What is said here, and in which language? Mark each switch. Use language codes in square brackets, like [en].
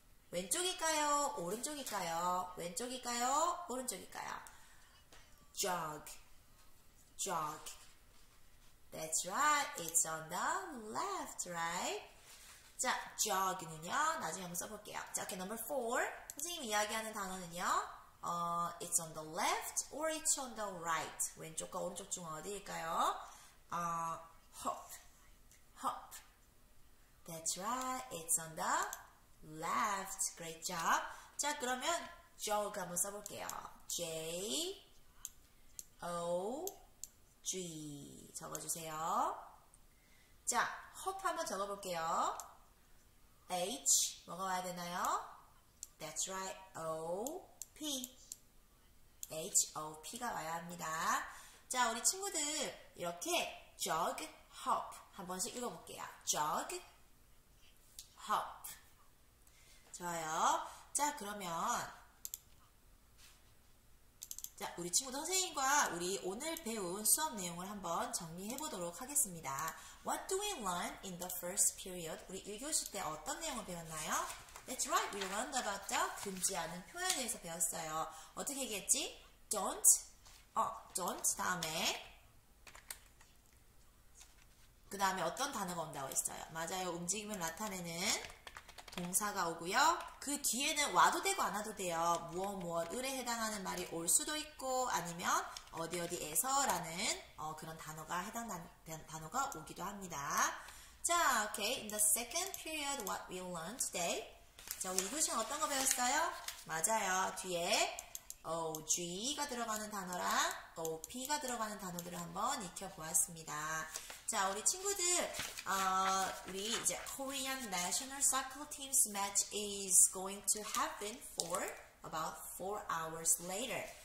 [ko] 왼쪽일까요? 오른쪽일까요? 왼쪽일까요? 오른쪽일까요? [en] jog, jog. That's right. It's on the left, right? [ko] 자, jog는요. 나중에 한번 써볼게요. [en] 자, okay, number four. [ko] 선생님 이야기하는 단어는요. [en] It's on the left or it's on the right. [ko] 왼쪽과 오른쪽 중 어디일까요? [en] Hop. Hop. That's right. It's on the left. Great job. [ko] 자, 그러면 jog 한번 써볼게요. [en] J, O, G. [ko] 적어주세요. 자, hop 한번 적어볼게요. [en] H, [ko] 뭐가 와야 되나요? [en] That's right, O, P. [ko] H, O, P가 와야 합니다. 자, 우리 친구들 이렇게 jog, hop 한 번씩 읽어볼게요. [en] jog, hop. [ko] 좋아요. 자, 그러면 자, 우리 친구들 선생님과 우리 오늘 배운 수업 내용을 한번 정리해 보도록 하겠습니다. [en] What do we learn in the first period? [ko] 우리 1교시 때 어떤 내용을 배웠나요? [en] That's right, we learned about the [ko] 금지하는 표현에 대해서 배웠어요. 어떻게 얘기했지? [en] Don't, don't [ko] 다음에 그 다음에 어떤 단어가 온다고 했어요? 맞아요. 움직임을 나타내는 동사가 오고요. 그 뒤에는 와도 되고 안 와도 돼요. 무엇 무엇을에 해당하는 말이 올 수도 있고 아니면 어디 어디에서라는 그런 단어가 해당 단어가 오기도 합니다. 자, okay. [en] In the second period, what we learned today. [ko] 자, 우리 교수님 어떤 거 배웠어요? 맞아요. 뒤에 OG가 들어가는 단어랑 OP가 들어가는 단어들을 한번 익혀보았습니다. 자, 우리 친구들, 우리 이제 [en] Korean National Soccer Team's match is going to happen for about 4 hours later.